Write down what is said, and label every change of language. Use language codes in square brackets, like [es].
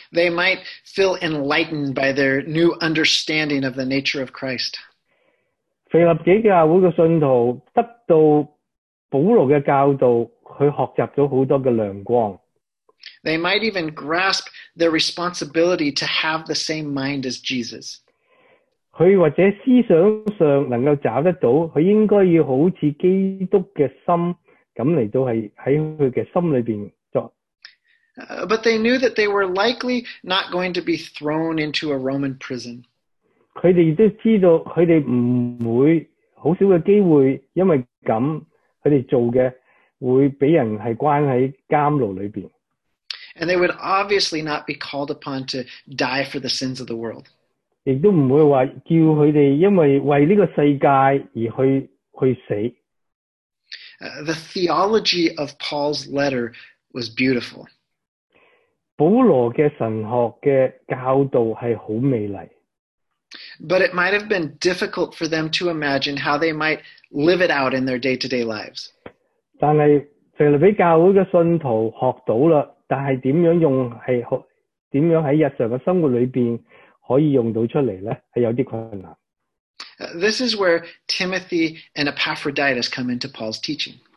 [en] might feel enlightened by their new understanding of the nature of Christ. [zh] 腓立比教会的信徒得到 保罗的教导,他学习了很多的亮光。 [en] They might even grasp their responsibility to have the same mind as Jesus. [zh] 他或者思想上能够找得到,他应该要好像基督的心,这样来到在他的心里面作。 [en] But they knew that they were likely not going to be thrown into a Roman prison. [zh] 他们也知道,他们不会,很少的机会,因为这样, 他们做的会被人关在监牢里面。 [en] And they would obviously not be called upon to die for the sins of the world. [zh] 也不会说叫他们因为为这个世界而去死。 [en] The theology of Paul's letter was beautiful. [zh] 保罗的神学的教导是很美丽。 [en] But it might have been difficult for them to imagine how they might live it out in their day-to-day lives. [zh] 但是腓立比教会的信徒学到了，但是怎样用，是怎样在日常的生活里边可以用到出来呢？是有啲困难。 [en] This is where Timothy and Epaphroditus come into Paul's teaching.